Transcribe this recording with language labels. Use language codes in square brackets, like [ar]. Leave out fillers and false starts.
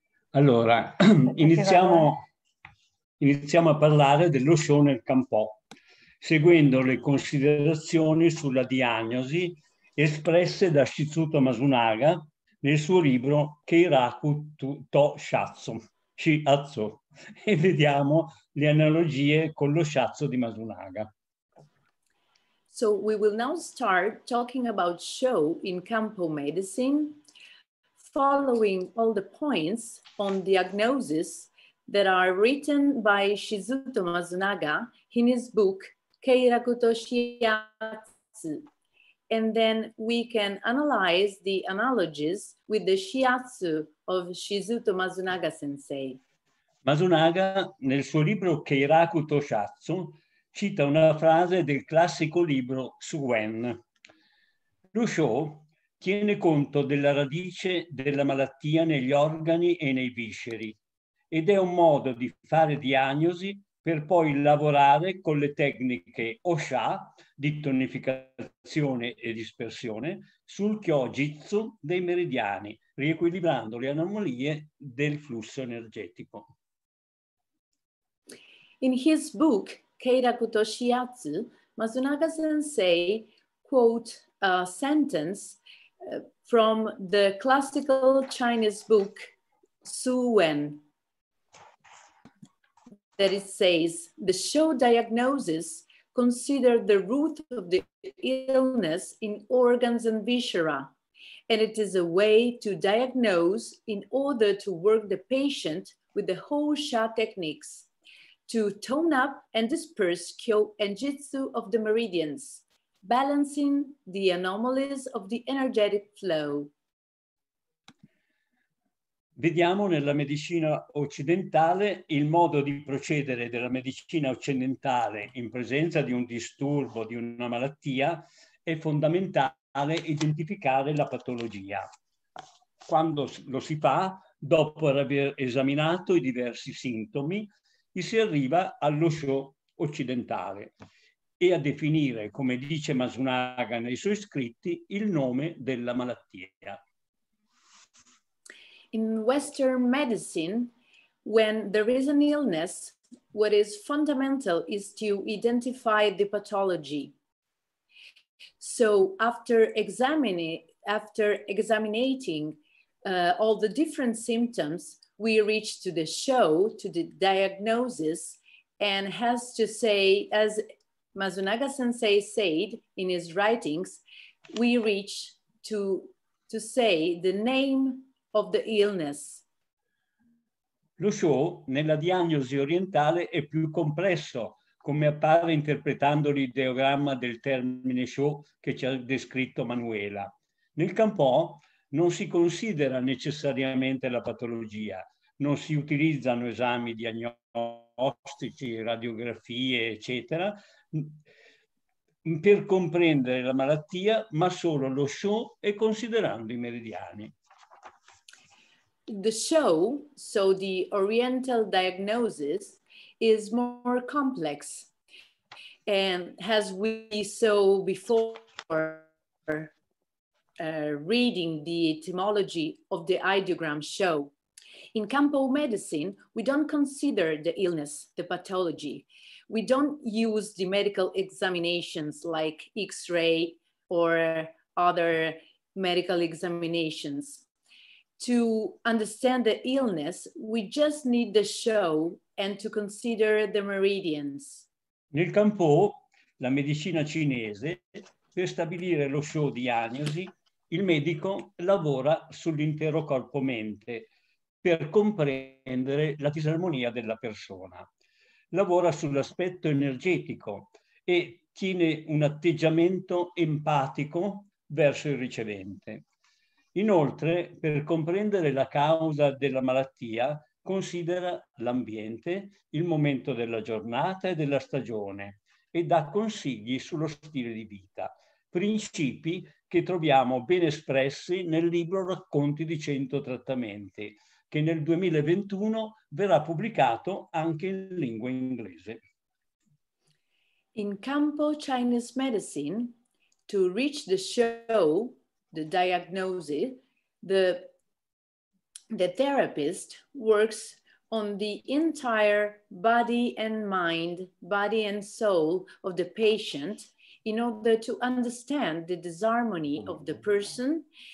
[it] Allora, iniziamo a parlare dello show nel campo, seguendo le considerazioni sulla diagnosi espresse da Shizuto Masunaga nel suo libro Keiraku to Shatsu, Shiatsu, e vediamo le analogie con lo Shatsu di Masunaga. [en] So we will now start talking about show in Kampo medicine, following all the points on diagnosis that are written by Shizuto Masunaga in his book Keiraku to Shiatsu. And then we can analyze the analogies with the Shiatsu of Shizuto Masunaga sensei. [it] Masunaga, nel suo libro Keiraku to Shiatsu, cita una frase del classico libro Suwen. Lo show tiene conto della radice della malattia negli organi e nei visceri ed è un modo di fare diagnosi per poi lavorare con le tecniche Osha di tonificazione e dispersione sul Kyojitsu dei meridiani, riequilibrando le anomalie del flusso energetico. [en] In his book Keiraku to Shiatsu, Masunaga sensei quote a sentence from the classical Chinese book Su Wen, that it says, the show diagnosis consider the root of the illness in organs and viscera, and it is a way to diagnose in order to work the patient with the whole sha techniques to tone up and disperse Kyo and Jitsu of the meridians, balancing the anomalies of the energetic flow. [it] Vediamo nella medicina occidentale il modo di procedere della medicina occidentale in presenza di un disturbo, di una malattia, è fondamentale identificare la patologia. Quando lo si fa, dopo aver esaminato i diversi sintomi, si arriva allo show occidentale e a definire, come dice Masunaga nei suoi scritti, il nome della malattia. [en] In Western medicine, when there is an illness, what is fundamental is to identify the pathology. So after examining all the different symptoms, we reach to the show, to the diagnosis, and has to say, as Masunaga sensei said in his writings, we reach to say the name of the illness. [it] Lo show nella diagnosi orientale è più complesso, come appare interpretando l'ideogramma del termine show che ci ha descritto Manuela. Nel campo non si considera necessariamente la patologia, non si utilizzano esami diagnostici, radiografie, eccetera, per comprendere la malattia, ma solo lo show e considerando i meridiani. [en] The show, so the oriental diagnosis, is more complex and as we saw before reading the etymology of the ideogram show. In Kampo medicine, we don't consider the illness, the pathology. We don't use the medical examinations like X-ray or other medical examinations. To understand the illness, we just need the show and to consider the meridians. [it] Nel Kampo, la medicina cinese, per stabilire lo show diagnosi, il medico lavora sull'intero corpo-mente per comprendere la disarmonia della persona. Lavora sull'aspetto energetico e tiene un atteggiamento empatico verso il ricevente. Inoltre, per comprendere la causa della malattia, considera l'ambiente, il momento della giornata e della stagione e dà consigli sullo stile di vita, principi che troviamo ben espressi nel libro Racconti di 100 trattamenti, che nel 2021 verrà pubblicato anche in lingua inglese. [en] In campo Chinese medicine, to reach the show, the diagnosis, the therapist works on the entire body and mind, body and soul of the patient in order to understand the disharmony of the person,